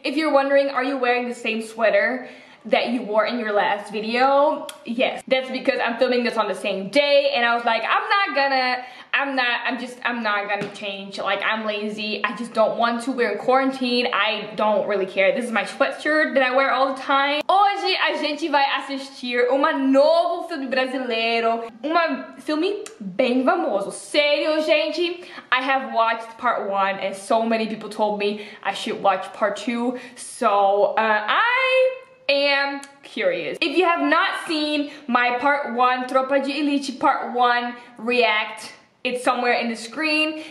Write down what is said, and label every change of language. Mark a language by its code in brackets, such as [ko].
[en] If you're wondering, are you wearing the same sweater that you wore in your last video? Yes. That's because I'm filming this on the same day and I was like, I'm not gonna change. Like, I'm lazy. I just don't want to. We're in quarantine. I don't really care. This is my sweatshirt that I wear all the time. [pt] Hoje a gente vai assistir uma novo filme brasileiro. Uma filme bem famoso. Sério, gente? [en] I have watched part one and so many people told me I should watch part two. So, I am curious. If you have not seen my part one, Tropa de Elite part one react, it's somewhere in the screen.